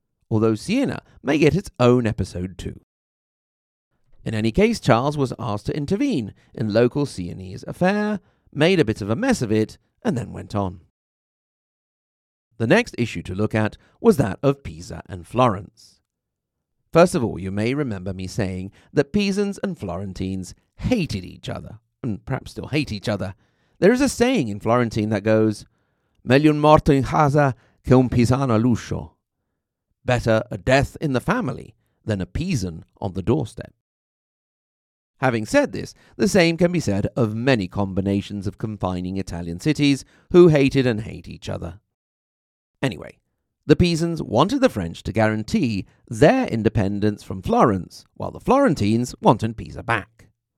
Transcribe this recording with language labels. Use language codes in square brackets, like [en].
[en] although Siena may get its own episode too. In any case, Charles was asked to intervene in local Sienese affair, made a bit of a mess of it, and then went on. The next issue to look at was that of Pisa and Florence. First of all, you may remember me saying that Pisans and Florentines hated each other, and perhaps still hate each other. There is a saying in Florentine that goes, [it] "Meglio morto in casa che un Pisano all'uscio." [en] Better a death in the family than a Pisan on the doorstep. Having said this, the same can be said of many combinations of confining Italian cities who hated and hate each other. Anyway, the Pisans wanted the French to guarantee their independence from Florence, while the Florentines wanted Pisa back.